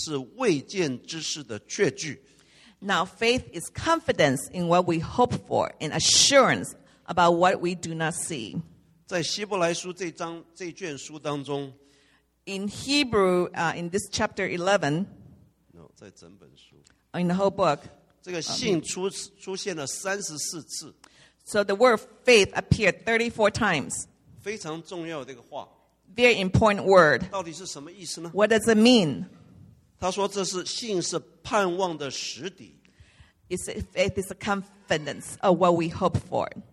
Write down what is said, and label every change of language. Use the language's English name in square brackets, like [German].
[Chinese] 信是所望之事的实底，是未见之事的确据。 [English] Now faith is confidence in what we hope for and assurance about what we do not see. [Chinese] 在希伯来书这章这卷书当中， [English] In Hebrew, in this chapter 11, [Chinese] no, 在整本书， [English] in the whole book, [Chinese] 这个信出现了34次。 [English] So the word faith appeared 34 times. [Chinese] 非常重要的一个话。 [English] Very important word. [Chinese] 到底是什么意思呢？ [English] What does it mean? [Chinese] 他说这是信是盼望的实底。 [English] It's a faith, it's a confidence of what we hope for.